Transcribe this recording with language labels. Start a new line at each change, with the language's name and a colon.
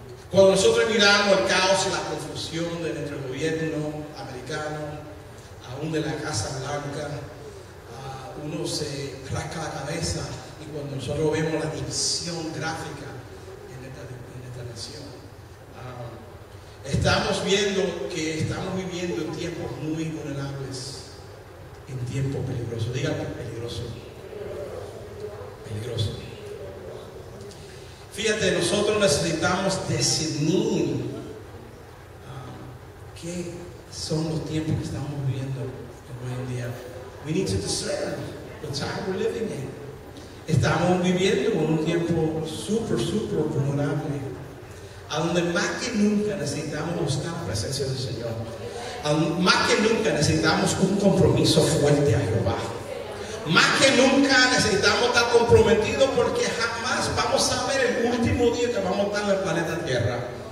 Spanish: Cuando nosotros miramos el caos y la confusión de nuestro gobierno americano, aún de la Casa Blanca, uno se rasca la cabeza, y cuando nosotros vemos la división gráfica en esta nación, estamos viendo que estamos viviendo en tiempos muy vulnerables, en tiempos peligrosos. Dígame, peligroso. Peligroso. Fíjate, nosotros necesitamos definir qué son los tiempos que estamos viviendo hoy en día.
English: We need to discern the time we're living in.
Spanish: Estamos viviendo en un tiempo super, super vulnerable, a donde más que nunca necesitamos buscar la presencia del Señor. Más que nunca necesitamos un compromiso fuerte a Jehová. Más que nunca necesitamos estar comprometidos, porque jamás vamos a ver el último día que vamos a estar en el planeta Tierra.